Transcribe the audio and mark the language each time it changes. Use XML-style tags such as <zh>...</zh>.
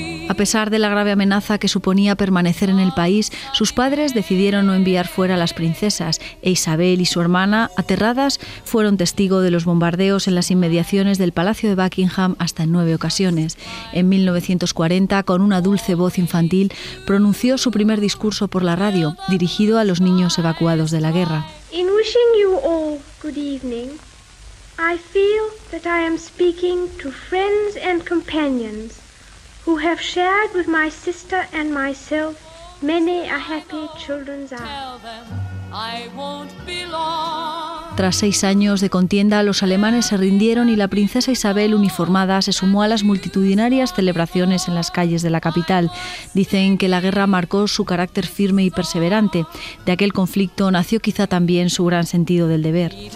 <es>A pesar de la grave amenaza que suponía permanecer en el país, sus padres decidieron no enviar fuera a las princesas e Isabel y su hermana, aterradas, fueron testigo de los bombardeos en las inmediaciones del Palacio de Buckingham hasta en 9 ocasiones. En 1940, con una dulce voz infantil, pronunció su primer discurso por la radio, dirigido a los niños evacuados de la guerra.</es> <en>In wishing you all good evening, I feel that I am speaking to friends and companions who have shared with my sister and myself many a happy children's hour.</en> <es>Tras 6 años de contienda, los alemanes se rindieron y la princesa Isabel, uniformada, se sumó a las multitudinarias celebraciones en las calles de la capital. Dicen que la guerra marcó su carácter firme y perseverante. De aquel conflicto nació quizá también su gran sentido del deber.</es>